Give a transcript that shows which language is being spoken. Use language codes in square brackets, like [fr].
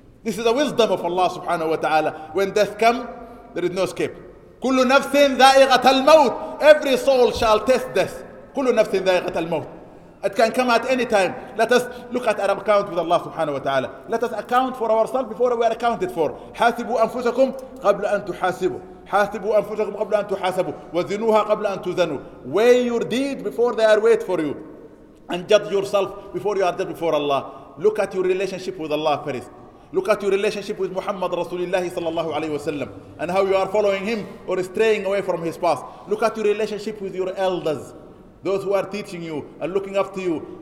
[en] This is the wisdom of Allah subhanahu wa ta'ala. When death comes, there is no escape. [ar] كل نفس ذائقة الموت. [en] Every soul shall taste death. [ar] كل نفس ذائقة الموت. [en] It can come at any time. Let us look at our account with Allah subhanahu wa ta'ala. Let us account for ourselves before we are accounted for. [ar] حاسبوا أنفسكم قبل أن تحاسبوا. حاسبوا أنفسكم قبل أن تحاسبوا وزنوها قبل أن تزنوا. [en] Weigh your deed before they are wait for you, and judge yourself before you are judged before Allah. Look at your relationship with Allah first. Look at your relationship with Muhammad Rasulullah sallallahu alayhi wasallam, and how you are following him or straying away from his path. Look at your relationship with your elders, those who are teaching you and looking after you.